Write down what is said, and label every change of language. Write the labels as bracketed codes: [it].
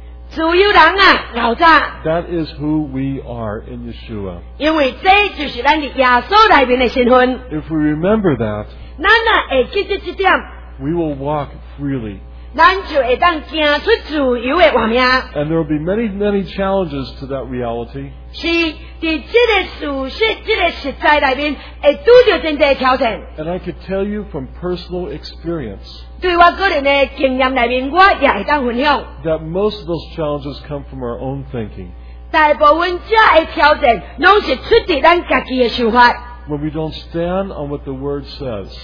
[nan] 自由人啊，老大。 [en] That is who we are in Yeshua. [nan] 因为这就是咱的耶稣内面的身份。 [en] If we remember that, [nan] 咱啊会记得这点。 [en] We will walk freely. [nan] 咱就会当行出自由的画面。 [en] And there will be many, many challenges to that reality. [nan] 是，在这个事实、这个实在里面，会拄到真多挑战。 [en] And I could tell you from personal experience. [nan] 对我个人的经验里面，我也会当分享。 [en] That most of those challenges come from our own thinking. [nan] 大部分这的挑战，拢是出自咱家己的想法。 [en] When we don't stand on what the Word says.